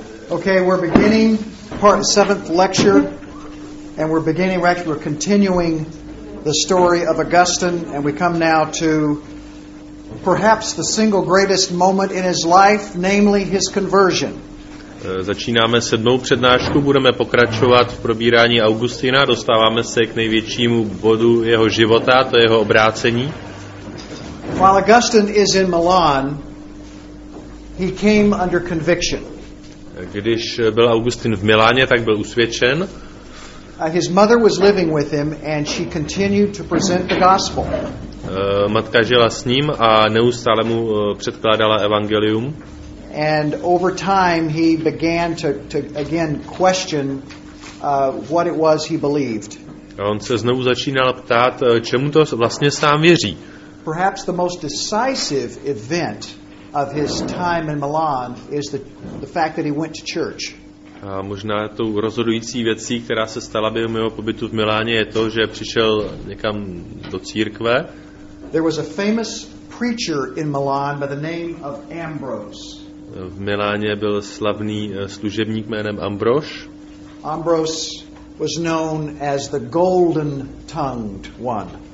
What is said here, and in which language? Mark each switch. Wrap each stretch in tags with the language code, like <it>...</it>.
<en>Okay, we're beginning part 7th lecture, and we're beginning, we're continuing the story of Augustine, and we come now to perhaps the single greatest moment in his life, namely his conversion.</en> <cs>Začínáme 7. přednášku, budeme pokračovat v probírání Augustina, dostáváme se k největšímu bodu jeho života, to je jeho obrácení.</cs> <en>While Augustine is in Milan, he came under conviction.</en> <cs>Když byl Augustin v Miláně, tak byl usvědčen.</cs> <en>His mother was living with him and she continued to present the gospel.</en> <cs>Matka žila s ním a neustále mu předkládala evangelium.</cs> <en>And over time he began to again question what it was he believed.</en> <cs>On se znovu začínal ptát, čemu to vlastně sám věří.</cs> <en>Perhaps the most decisive event of his time in Milan is the fact that he went to church.</en> <cs>A možná tou rozhodující věcí, která se stala během jeho pobytu v Miláně, je to, že přišel někam do církve.</cs> <en>There was a famous preacher in Milan by the name of Ambrose.</en> <cs>V Miláně byl slavný služebník jménem Ambrose.</cs> <en>Ambrose was known as the golden tongued one.</en>